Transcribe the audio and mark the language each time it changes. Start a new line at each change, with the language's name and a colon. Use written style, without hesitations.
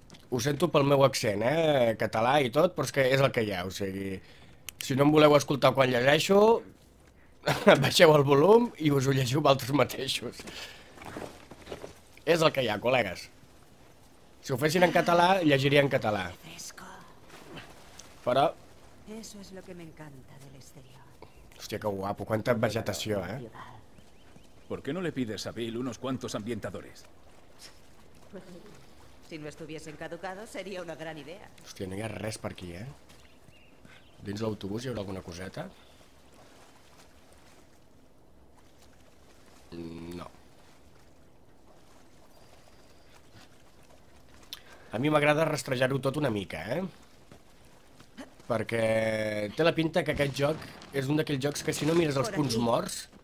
Catalan: Ho sento pel meu accent, eh? Català i tot, però és que és el que hi ha, o sigui... Si no em voleu escoltar quan llegeixo... Baixeu el volum i us ho llegiu vosaltres mateixos. És el que hi ha, col·legues. Si ho fessin en català, llegiria en català. Però...
Spanish: Eso es lo que me encanta del exterior.
Catalan: Hòstia, que guapo, quanta vegetació, eh?
Spanish: ¿Por qué no le pides a Bill unos cuantos ambientadores? Si no estuviesen caducados, sería una gran idea.
Catalan: Hòstia, no hi ha res per aquí, eh? Dins l'autobús hi haurà alguna coseta? No. A mi m'agrada rastrejar-ho tot una mica, eh? Perquè té la pinta que aquest joc és un d'aquells jocs que si no mires els punts morts...